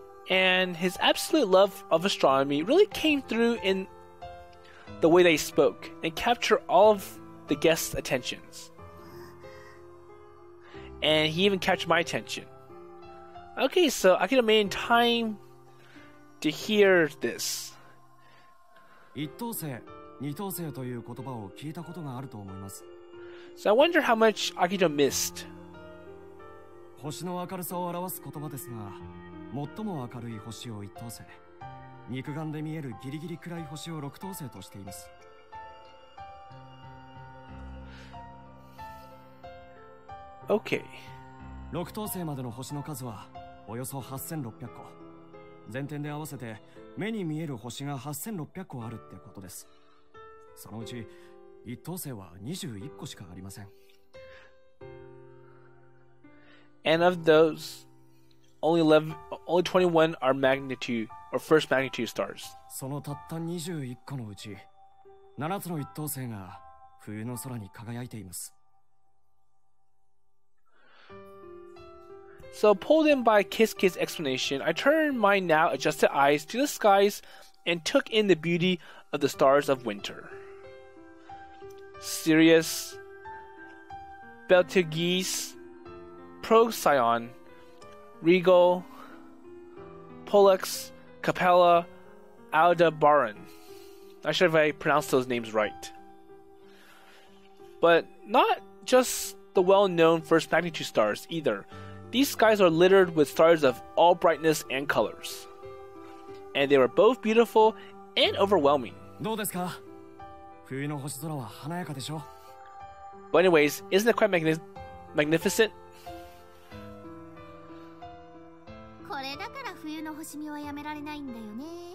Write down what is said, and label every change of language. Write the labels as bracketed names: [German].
[English] And his absolute love of astronomy really came through in the way they spoke and captured all of the guests' attentions. And he even captured my attention. Okay, so I can remain in time to hear this. [Japanese] 一等星 という言葉を聞いたことがあると思います。 [English] So I wonder how much Akito missed. [Japanese] 星の明るさを表す言葉ですが、最も明るい星を一等星、肉眼で見えるギリギリくらい星を六等星としています。 [English] Okay. [Japanese] 六等星までの星の数はおよそ8600個。全天で合わせて目に見える星が8600個あるってことです。そのうち一等星は21個しかありません。 [English] And of those, only 21 are magnitude or first magnitude stars. [Japanese] そのたった21個のうち7つの一等星が冬の空に輝いています。 [English] So pulled in by Kiske's explanation, I turned my now adjusted eyes to the skies and took in the beauty of the stars of winter. Sirius, Betelgeuse, Procyon, Rigel, Pollux, Capella, Aldebaran. Not sure if I pronounced those names right. But not just the well-known first magnitude stars either. These skies are littered with stars of all brightness and colors. And they were both beautiful and overwhelming. How is it? [Japanese] 冬の星空は華やかでしょ? [English] But anyways, isn't it quite magnificent? [Japanese] これだから冬の星見はやめられないんだよね。